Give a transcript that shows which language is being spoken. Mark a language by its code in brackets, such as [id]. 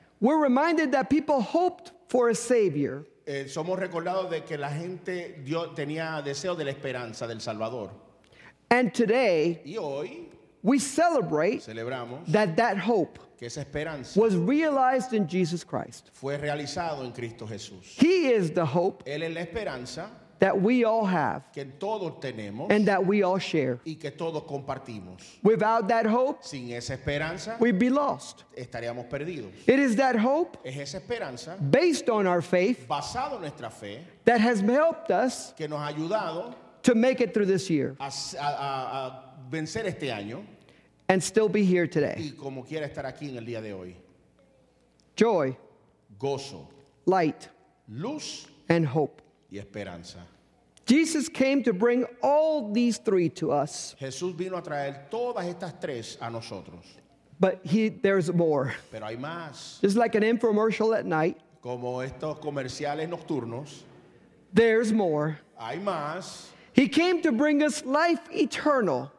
[en] We're reminded that people hoped for a savior. [es] Somos recordados de que la gente tenía deseo de la esperanza del Salvador. [en] And today, [es] y hoy, [en] we celebrate [es] celebramos [en] that hope [es] que esa esperanza [en] was realized in Jesus Christ. [es] Fue realizado en Cristo Jesús. [en] He is the hope [es] Él es la esperanza [en] that we all have [es] que todos tenemos [en] and that we all share. [es] Y que todos compartimos. [en] Without that hope, [es] sin esa esperanza, [en] we'd be lost. [es] Estaríamos perdidos. [en] It is that hope [es] es esa esperanza [en] based on our faith [es] basado en nuestra fe [en] that has helped us [es] que nos ha ayudado [en] to make it through this year [es] a vencer este año, [en] and still be here today. [es] Y como quiera estar aquí en el día de hoy. [en] Joy, [es] gozo, [en] light, [es] luz, [en] and hope. [es] Y esperanza. [en] Jesus came to bring all these three to us. [es] Jesús vino a traer todas estas tres a nosotros. [en] But there's more. [es] Pero hay más. [en] Just like an infomercial at night. [es] Como estos comerciales nocturnos. [en] There's more. [es] Hay más. [en] He came to bring us life eternal.